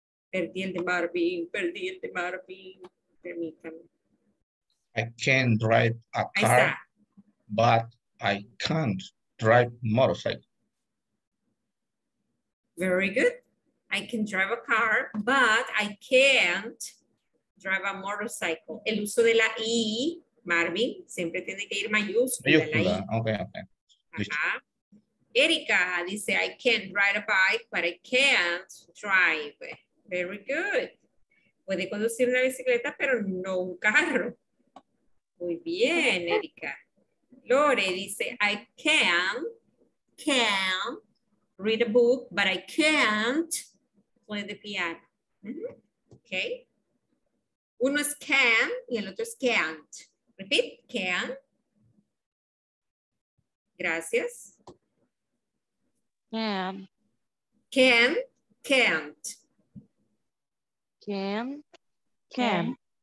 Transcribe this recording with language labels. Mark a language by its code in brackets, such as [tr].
[es] Perdí el de Marvin, perdí el de Marvin. Permítame. [en] I can drive a car, but I can't drive motorcycle. Very good. I can drive a car, but I can't drive a motorcycle. [es] El uso de la I, Marvin, siempre tiene que ir mayúscula. Erika dice, [en] I can't ride a bike, but I can't drive. Very good. [es] Puede conducir una bicicleta, pero no un carro. Muy bien, Erika. Lore dice, [en] I can't read a book, but I can't play the piano. Okay. [es] Uno es can y el otro es can't. [en] Repeat, can. [es] Gracias. [en] Can. Can, can't. Can, can.